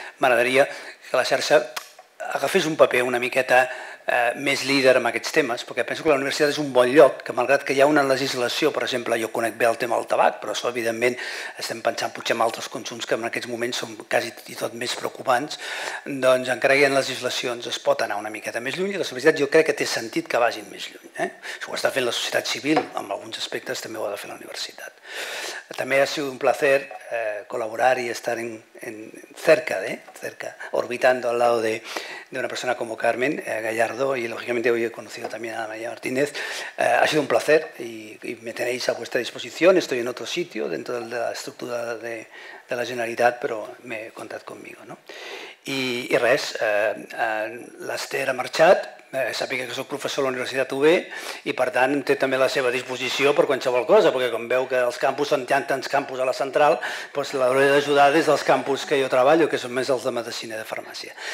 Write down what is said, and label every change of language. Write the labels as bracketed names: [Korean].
[Catalan] M'agradaria que la xarxa agafés un paper una miqueta més líder en aquests temes, perquè penso que la universitat és un bon lloc, que malgrat que hi ha una legislació, per exemple, jo conec bé el tema del tabac, però això evidentment estem pensant potser en altres consums que en aquests moments són quasi i tot més preocupants, doncs encara que hi ha legislacions es pot anar una miqueta més lluny, i la universitat jo crec que té sentit que vagin més lluny. Si ho està fent la societat civil, en alguns aspectes també ho ha de fer la universitat. També ha sigut un placer col·laborar i estar [Spanish] cerca, orbitando al lado de una persona como Carmen Gallardo, y lógicamente hoy he conocido también a María Martínez. Ha sido un placer y me tenéis a vuestra disposición. Estoy en otro sitio, dentro de la estructura de la Generalitat, pero me contad conmigo. ¿No? [Catalan] I res, l'Esther ha marxat, sàpiga que soc professor a la Universitat UB i per tant té també la seva disposició per qualsevol cosa, perquè com veu que els campus són tants campus a la central, doncs l'hauré d'ajudar des dels campus que jo treballo, que són més els de medicina i de farmàcia.